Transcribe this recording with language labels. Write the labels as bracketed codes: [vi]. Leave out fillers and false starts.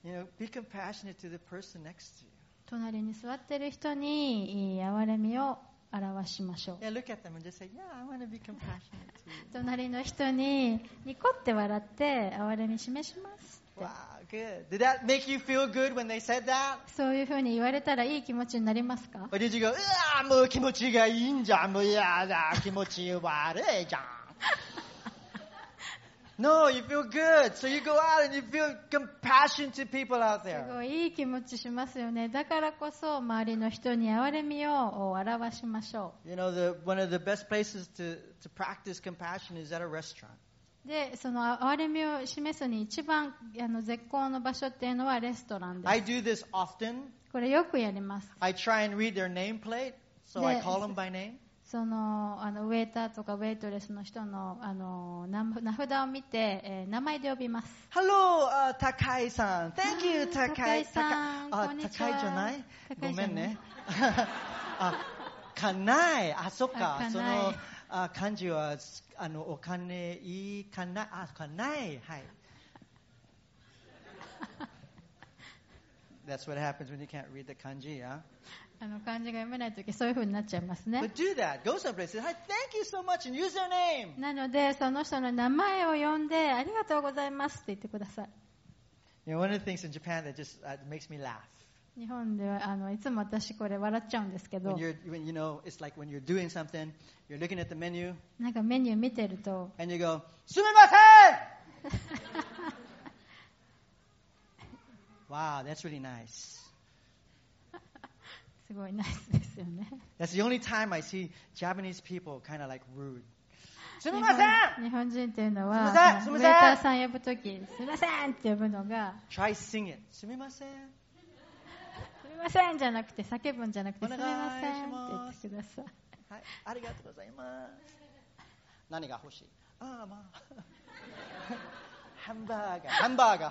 [en] You know, be compassionate to the person next to you. [ja] 隣に座っている人に憐れみを表しましょう。 [en] Yeah, look at them and just say, yeah, I want to be compassionate to [ja] you. 隣の人にニコって笑って憐れみ示しますって。 [en] Wow, good. Did that make you feel good when they said that? [ja] そういうふうに言われたらいい気持ちになりますか？ [en] Or did you go, [ja] うわー、もう気持ちがいいんじゃん。もう嫌だ、気持ち悪いじゃん。 [en] No, you feel good. So you go out and you feel compassion to people out there. [ja] すごいいい気持ちしますよね。だからこそ周りの人に憐れみを表しましょう。 [en] You know, one of the best places to practice compassion is at a restaurant. [ja] で、その憐れみを示すに一番絶好の場所っていうのはレストランです。 [en] I do this often. [ja] これよくやります。 [en] I try and read their nameplate, so I call them by name. [ja] そのウェイターとかウェイトレスの人の名札を見て、名前で呼びます。 [en] Hello, 高井さん。Thank you, 高井 [ja] さん。こんにちは。高井じゃない？ごめんね。かない。あ、そっか。その漢字はお金いいかな。あ、かない。はい。 [en] That's what happens when you can't read the kanji, yeah? [ja] 漢字が読めないときそういう風になっちゃいますね。 [en] But do that. Go someplace. Say, hi, thank you so much, and use their name. [ja] なので、その人の名前を呼んで、ありがとうございますって言ってください。 [en] You know, one of the things in Japan that just makes me laugh. [ja] 日本ではいつも私これ笑っちゃうんですけど。 [en] When you know, it's like when you're doing something, you're looking at the menu. [ja] なんかメニュー見てると。 [en] And you go, [ja] すみません [en] Wow, that's really nice. [ja] すごいナイスですよね。 [en] That's the only time I see Japanese people kind of like rude. [ja] すみません。日本人っていうのは、すみません。ウェイターさん呼ぶとき、すみませんって呼ぶのが。 [en] Try sing it. [ja] すみません。すみませんじゃなくて叫ぶんじゃなくて、すみませんって言ってください。はい、ありがとうございます。何が欲しい？ああまあ。ハンバーガー。ハンバーガー。